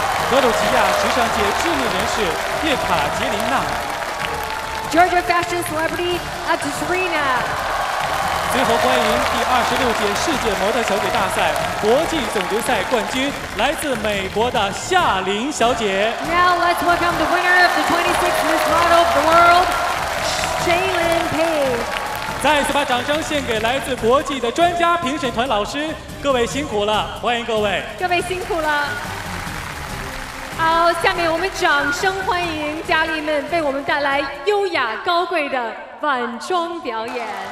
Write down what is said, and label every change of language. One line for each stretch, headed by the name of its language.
Chinese: 格鲁吉亚时尚界知名人士叶卡捷琳娜。
English: Georgia fashion celebrity Ekaterina.
Chinese: 最后欢迎第26届世界模特小姐大赛国际总决赛冠军，来自美国的夏琳小姐。
English: Now let's welcome the winner of the 26th Miss Model of the World, Shaylin Page.
Chinese: 再次把掌声献给来自国际的专家评审团老师，各位辛苦了，欢迎各位。各位辛苦了。好，下面我们掌声欢迎佳丽们为我们带来优雅高贵的晚装表演。